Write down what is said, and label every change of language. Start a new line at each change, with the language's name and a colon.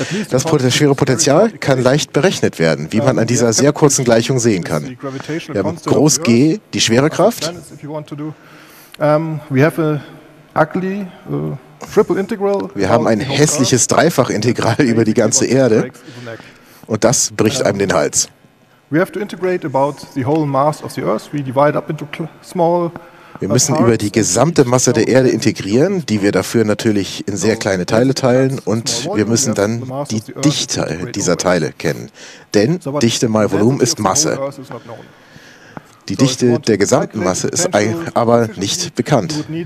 German: Das schwere Potenzial kann leicht berechnet werden, wie man an dieser sehr kurzen Gleichung sehen kann. Wir haben groß G, die schwere Kraft. Wir haben ein hässliches Dreifachintegral über die ganze Erde und das bricht einem den Hals.
English: We have to integrate about the whole mass of the Earth. We divide up into small.
German: Wir müssen über die gesamte Masse der Erde integrieren, die wir dafür natürlich in sehr kleine Teile teilen, und wir müssen dann die Dichte dieser Teile kennen. Denn Dichte mal Volumen ist Masse. Die Dichte der gesamten Masse ist aber nicht bekannt.